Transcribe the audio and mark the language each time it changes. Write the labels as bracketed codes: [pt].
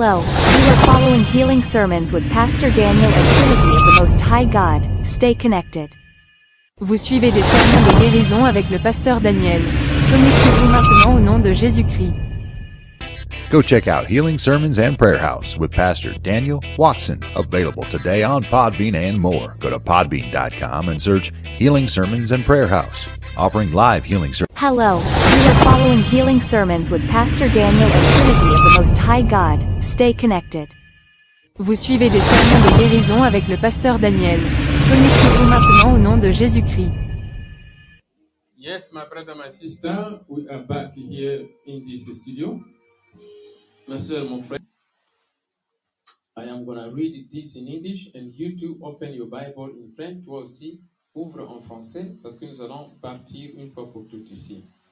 [en] You are following Healing Sermons with Pastor Daniel and Trinity of the Most High God. Stay connected. [fr] Vous suivez des sermons de guérison avec le pasteur Daniel. Connectez-vous maintenant au nom de Jésus-Christ. [en] Go check out Healing Sermons and Prayer House with Pastor Daniel Watson. Available today on Podbean and more. Go to podbean.com and search Healing Sermons and Prayer House. Offering live healing sermons. Hello, you are following Healing Sermons with Pastor Daniel and Trinity of the Most High God. Stay connected. [fr] Vous suivez des sermons de guérison avec le pasteur Daniel. Connectez-vous maintenant au nom de Jésus-Christ. [en] Yes, my brother, my sister, we are back here in this studio. [fr] Ma soeur, mon frère. [en] I am going to read this in English and you too open your Bible in French. [fr] Toi aussi, ouvre en français parce que nous allons partir une fois pour toutes ici.